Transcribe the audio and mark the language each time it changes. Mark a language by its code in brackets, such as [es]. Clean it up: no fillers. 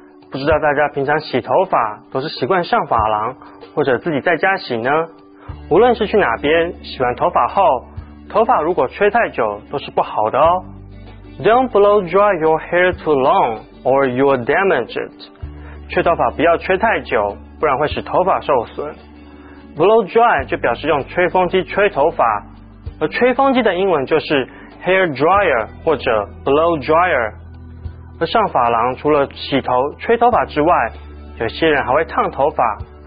[zh] 不知道大家平常洗头发都是习惯上发廊，或者自己在家洗呢？无论是去哪边，洗完头发后头发如果吹太久都是不好的哦。 [en] Don't blow dry your hair too long or you'll damage it. [zh] 吹头发不要吹太久，不然会使头发受损。 Blow dry 就表示用吹风机吹头发，而吹风机的英文就是 hair dryer 或者 blow dryer。而上发廊除了洗头、吹头发之外，有些人还会烫头发。